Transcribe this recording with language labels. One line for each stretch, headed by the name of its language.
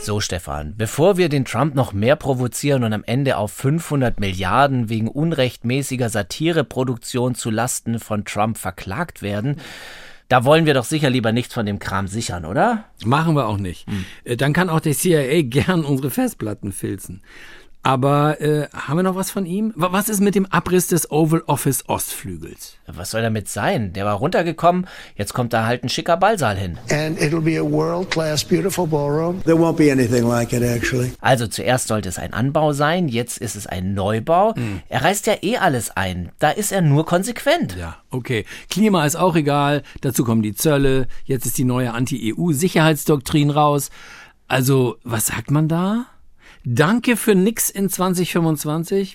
German: So, Stefan, bevor wir den Trump noch mehr provozieren und am Ende auf 500 Milliarden wegen unrechtmäßiger Satireproduktion zulasten von Trump verklagt werden, da wollen wir doch sicher lieber nichts von dem Kram sichern, oder? Machen wir auch nicht. Dann kann auch der CIA gern unsere Festplatten filzen. Aber haben wir noch was von ihm? Was ist mit dem Abriss des Oval Office Ostflügels? Was soll damit sein? Der war runtergekommen, jetzt kommt da halt ein schicker Ballsaal hin.
English: And it'll be a world-class, beautiful ballroom. There won't be anything like it, actually.
German: Also zuerst sollte es ein Anbau sein, jetzt ist es ein Neubau. Mm. Er reißt ja eh alles ein, da ist er nur konsequent. Ja, okay. Klima ist auch egal, dazu kommen die Zölle, jetzt ist die neue Anti-EU-Sicherheitsdoktrin raus. Also, was sagt man da? Danke für nix in 2025.